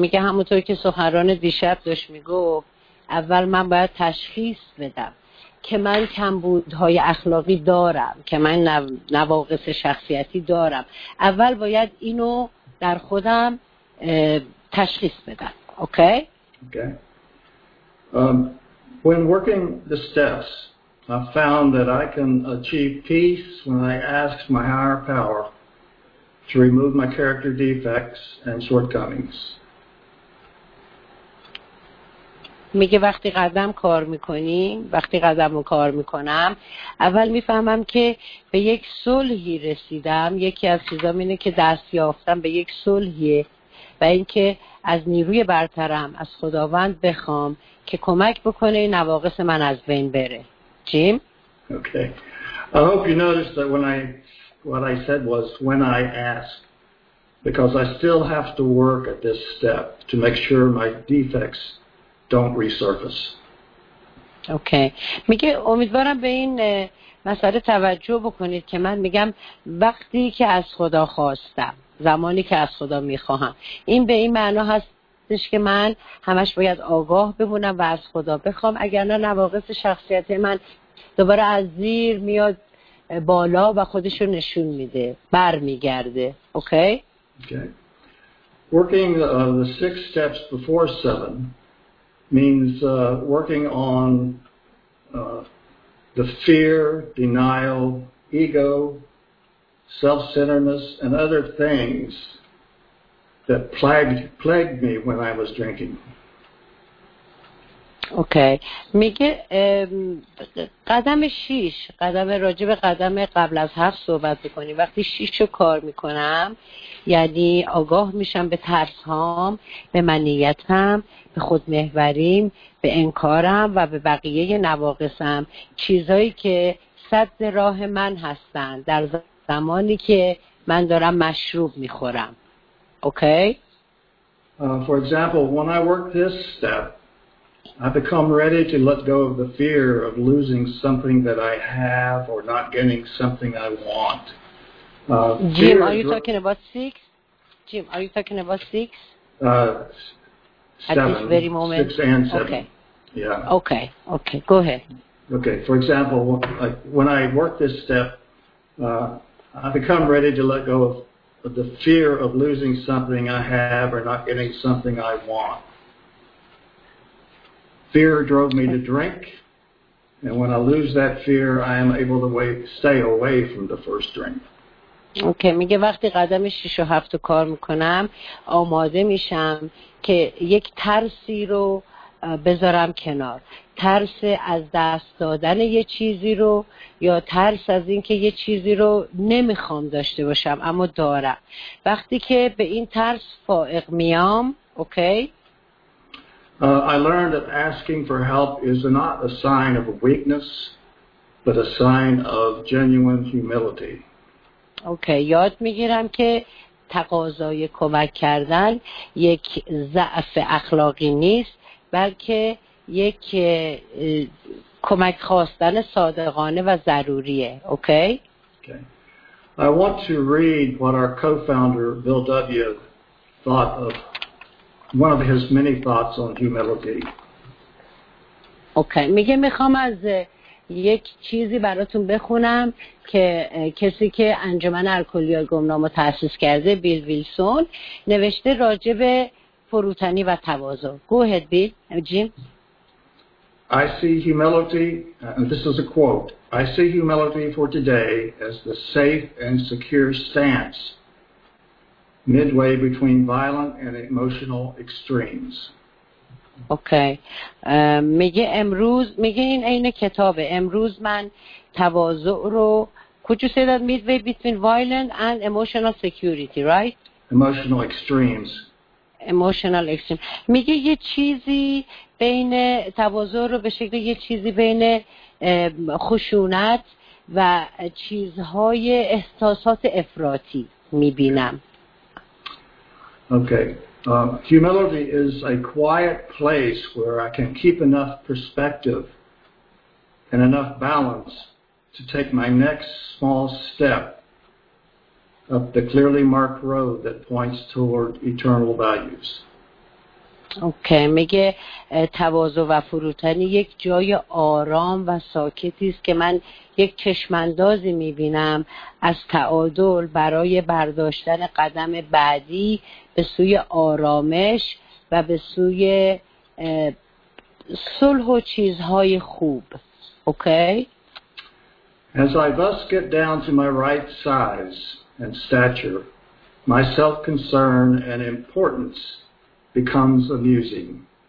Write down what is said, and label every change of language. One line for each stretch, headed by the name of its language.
Persian: میگه همونطور که سخنران دیشب داشت میگفت، اول من باید تشخیص بدم که من کمبودهای اخلاقی دارم، که من نواقص شخصیتی دارم. اول باید اینو در خودم تشخیص بدم. اوکی؟ اوکی.
English: When working the steps, I found that I can achieve peace when I ask my higher power to remove my character defects and shortcomings.
Persian: میگه وقتی قدم کار میکنیم، وقتی قدم رو کار میکنم، اول میفهمم که به یک صلحی رسیدم. یکی از چیزام اینه که دست یافتم به یک صلحیه، و اینکه از نیروی برترم، از خداوند بخوام که کمک بکنه این نواقص من از بین بره. جیم؟
English: Okay. I hope you noticed that what I said was when I ask, because I still have to work at this step to make sure my defects don't resurface. Okay.
Persian: میگه امیدوارم به این مسئله توجه بکنید که من میگم وقتی که از خدا خواستم، زمانی که از خدا میخواهم، این به این معنا هستش که من همش باید آگاه بمونم و از خدا بخوام، اگر نه نواقص شخصیت من دوباره از زیر میاد بالا و خودش رو نشون میده، برمیگرده. Okay. Okay.
English: Working the 6 steps before 7 means working on the fear, denial, ego, self-centeredness, and other things that plagued me when I was drinking.
Persian: Okay. میگه قدم 6، قدم راجب قدم قبل از 7 صحبت بکنیم. وقتی 6 رو کار میکنم، یعنی آگاه میشم به ترسهام، به منیتم، به خودمحوریم، به انکارم و به بقیه نواقصم، چیزایی که سد راه من هستن در زمانی که من دارم مشروب میخورم. Okay.
English: For example, when I work this step, I've become ready to let go of the fear of losing something that I have or not getting something I want. Jim, are you talking about six? Jim, are you talking about six? Seven. At this very moment. Six and seven. Okay. Yeah. Okay. Okay. Go ahead. Okay. For example, when I work this step, I become ready to let go of the fear of losing something I have or not getting something I want. Fear drove me to drink, and when I lose that fear, I am able to stay away from the first drink.
Persian: اوکی میگه وقتی قدم 6 و 7 رو کار میکنم آماده میشم که یک ترسی رو بذارم کنار، ترس از دست دادن یه چیزی رو یا ترس از اینکه یه چیزی رو نمیخوام داشته باشم اما دارم. وقتی که به این ترس فائق میام، اوکی
English: I learned that asking for help is not a sign of weakness but a sign of genuine humility.
Persian: اوکی، یاد میگیرم که تقاضای کمک کردن یک ضعف اخلاقی نیست، بلکه یک کمک خواستن صادقانه و ضروریه. اوکی.
English: I want to read what our co-founder Bill W thought of one of his many thoughts on humility.
Persian: اوکی، میگه میخوام از یک چیزی براتون بخونم که کسی که انجمن الکلی‌های گمنام رو تأسیس کرده، بیل ویلسون، نوشته راجع به فروتنی و تواضع.
English: Go ahead, Bill. Jim. I see humility, and this is a quote, I see humility for today as the safe and secure stance midway between violent and emotional extremes.
Persian: اوکی. میگه امروز، میگه این عین کتابه، امروز من تواضع رو
English: midway between violent and emotional security, right? Emotional extremes. Emotional extreme.
Persian: میگه یه چیزی بین تواضع رو به شکل یه چیزی بین خشونت و چیزهای احساسات افراطی میبینم. Okay.
English: Humility is a quiet place where I can keep enough perspective and enough balance to take my next small step up the clearly marked road that points toward eternal values.
Persian: اوکی، میگه تواضع و فروتنی یک جای آرام و ساکتی است که من یک چشم‌اندازی می‌بینم از تعادل برای برداشتن قدم بعدی به سوی آرامش و به سوی صلح و چیزهای خوب. اوکی.
English: As I thus get down to my right size and stature, my self-concern and importance becomes amusing.